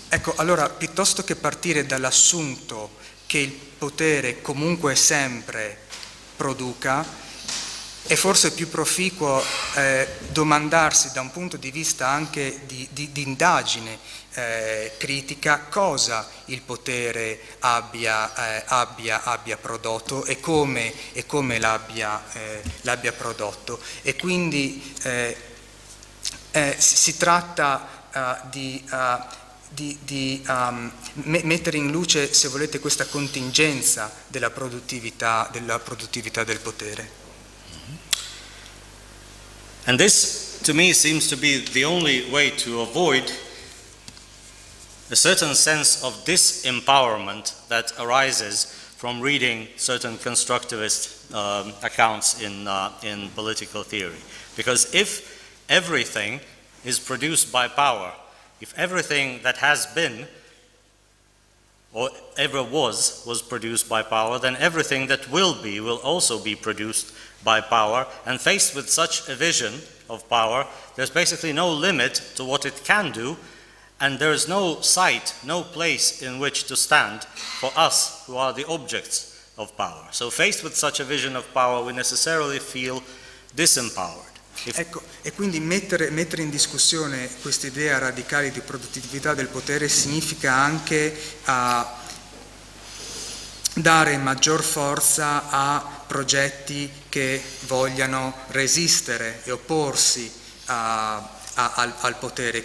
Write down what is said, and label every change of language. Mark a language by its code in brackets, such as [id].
[it] Ecco, allora, piuttosto che partire dall'assunto che il potere comunque sempre produca, è forse più proficuo domandarsi, da un punto di vista anche di indagine critica, cosa il potere abbia prodotto e come l'abbia prodotto. E quindi si tratta mettere in luce, se volete, questa contingenza della produttività del potere. [en] And this to me seems to be the only way to avoid a certain sense of disempowerment that arises from reading certain constructivist accounts in political theory. Because if everything is produced by power, if everything that has been or ever was produced by power, then everything that will also be produced by power. And faced with such a vision of power, there's basically no limit to what it can do, and there is no site, no place in which to stand for us who are the objects of power. So faced with such a vision of power, we necessarily feel disempowered. [it] Ecco, e quindi mettere in discussione questa idea radicale di produttività del potere significa anche dare maggior forza a progetti che vogliano resistere e opporsi al potere.